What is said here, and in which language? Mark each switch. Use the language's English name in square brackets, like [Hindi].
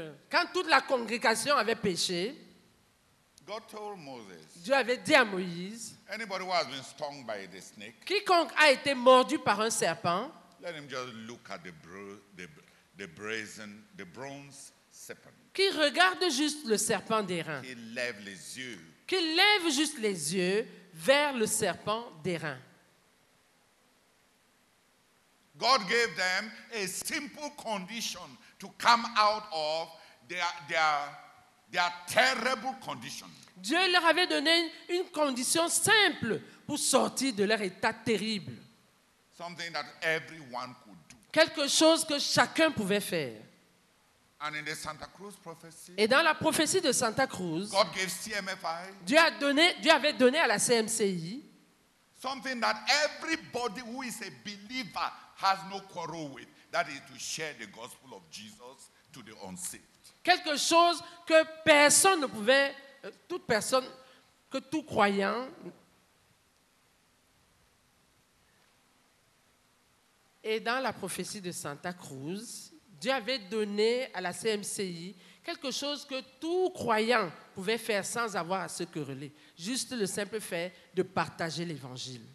[French] Quand toute la congrégation avait péché. [English] God told Moses. [French] Dieu avait dit à Moïse. [English] Anybody who has been stung by the snake. [French] Quiconque a été mordu par un serpent. [English] Let him just look at the bronze serpent. [French] Qui regarde juste le serpent d'airain. He lève les yeux. Qui lève juste les yeux vers le serpent d'airain. [English] God gave them a simple condition to come out of their terrible condition. [French] Dieu leur avait donné une condition simple pour sortir de leur état terrible. [English] Something that everyone could do. [French] Quelque chose que chacun pouvait faire. [English] And in the Santa Cruz prophecy, [French] et dans la prophétie de Santa Cruz, [English] God gave CMFI, [French] Dieu avait donné à la CMCI [English] something that everybody who is a believer has no quarrel with, that is to share the gospel of Jesus to the unsaved. [French] Quelque chose que personne ne pouvait, toute personne, que tout croyant et dans la prophétie de Santa Cruz, Dieu avait donné à la CMCI quelque chose que tout croyant pouvait faire sans avoir à se quereller, juste le simple fait de partager l'évangile.